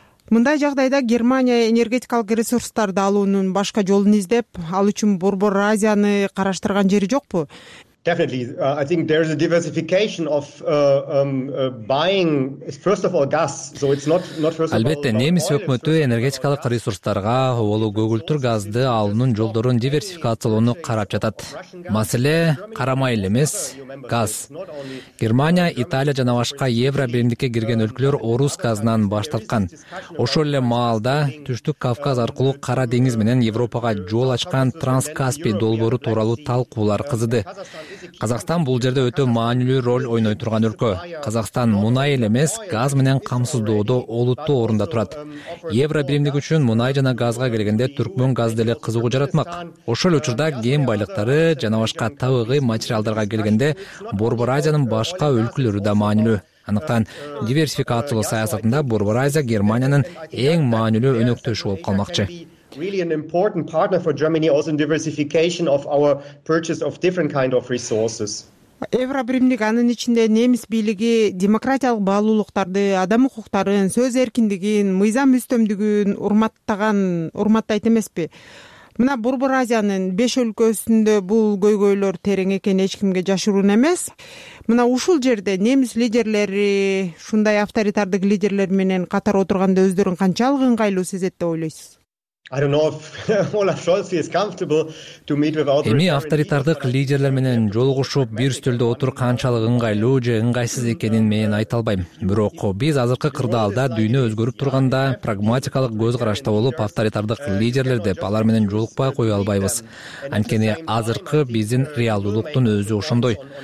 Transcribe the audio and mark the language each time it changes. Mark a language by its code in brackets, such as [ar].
[ky] Мындай жагдайда Германия энергетикалык ресурстарды алуунун башка жолун издеп, ал үчүн Борбор Азияны караштырган жери жокпу? [en] Definitely, I think there is a diversification of buying first of all gas, so it's not first of all. [ky] Албетте, немис өкмөтү энергетикалык ресурстарга болуу көгүлтүр газды алуунун жолдорун диверсификациялоону карап жатат. Маселе карамай эле эмес, газ. Германия, Италия жана башка Евробиримдикке кирген өлкөлөр орус газынан баш тарткан. Ошол эле маалда Түштүк Кавказ аркылуу Кара деңиз менен Европага жол ачкан Транскаспий долбоору тууралуу талкуулар кызыды. Казакстан бул жерде өтө маанилүү роль ойной турган өлкө. Казакстан мунай эле эмес, газ менен камсыздоодо олуттуу орунда турат. Евро биримдиги үчүн мунай жана газга келгенде түркмөн газ деле кызыгуу жаратмак. Ошол эле учурда кен байлыктары жана башка табигый материалдарга келгенде Борбор Азиянын башка өлкөлөрү да маанилүү. Андыктан диверсификациялуу саясатында Борбор Азия Германиянын эң маанилүү өнөктөшү болуп калмакчы. [en] Really an important partner for Germany also in diversification of our purchase of different kind of resources. [ky] Евро биримдиги анын ичинде немис бийлиги демократиялык баалуулуктарды, адам укуктарын, сөз эркиндигин, мыйзам үстөмдүгүн урматтайт эмеспи? Мына Борбор Азиянын 5 өлкөсүндө бул көйгөйлөр терең экен эч кимге жашыруун эмес. Мына ушул жерде немис лидерлери ушундай авторитардык лидерлер менен катар отурганда өздөрүн канчалык ыңгайлуу сезет деп ойлойсуз? [en] I don't know if Olaf Scholz is comfortable to meet with other [ky] Эми авторитардык лидерлер менен жолугушуп, бир үстөлдө отур канчалык ыңгайлуу же ыңгайсыз экенин мен айта албайм. Бирок биз азыркы кырдаалда дүйнө өзгөрүп турганда прагматикалык көз карашта болуп, авторитардык лидерлер деп алар менен жолукпай кое албайбыз. Анткени азыркы биздин реалдуулуктун өзү ошондой.